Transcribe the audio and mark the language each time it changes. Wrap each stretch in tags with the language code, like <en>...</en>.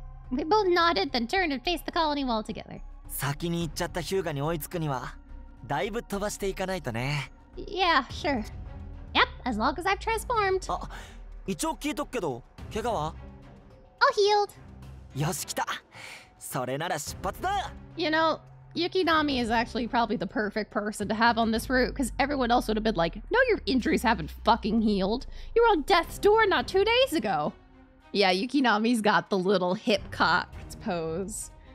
<en>We both nodded, then turned and faced the colony wall together.</en> <ja>先に行っちゃったヒューガに追いつくには、だいぶ飛ばしていかないとね。</ja> <en>Yeah, sure. Yep, as long as I've transformed.</en> <ja>あ、一応聞いとくけど、怪我は</ja> <en>?I'll healed.</en> <ja>よし、来た。それなら出発だ。</ja> <en>You know, Yukinami is actually probably the perfect person to have on this route, because everyone else would have been like, No, your injuries haven't fucking healed. You were on death's door not 2 days ago. Yeah, Yukinami's got the little hip cocked pose.</en>